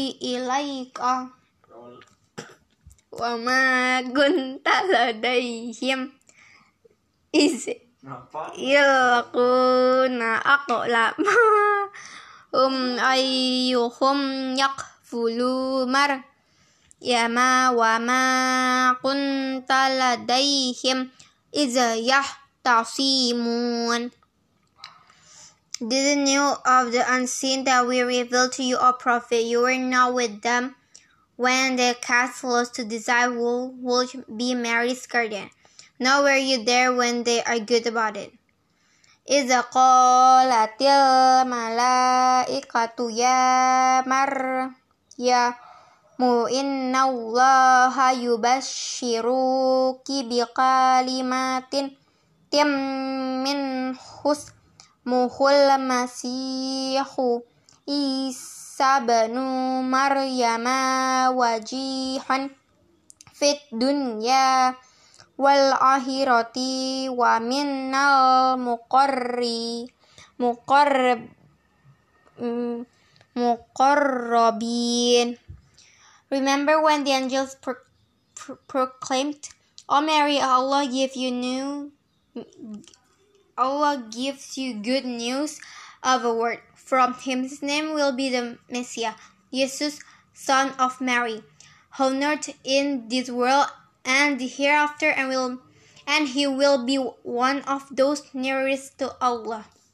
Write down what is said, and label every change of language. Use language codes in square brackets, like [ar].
[ar] إليك وما كنت لديهم إذ يلقون أقلامهم أيهم يقفل مريم وما كنت لديهم إذ يختصمون. [en] Did you know of the unseen that we revealed to you, O Prophet? You were not with them when they cast lots to decide who would be Mary's guardian. Now were you there when they argued about it? [ar] إذ قالت الملائكة يا مريم إن الله يبشرك بكلمة منه اسمه المسيح عيسى بن مريم وجيها في الدنيا والآخرة ومن المقربين. [en] Remember when the angels proclaimed, "O Mary, Allah gives you good news of a word from him. His name will be the Messiah, Jesus, son of Mary, honored in this world and hereafter, and he will be one of those nearest to Allah.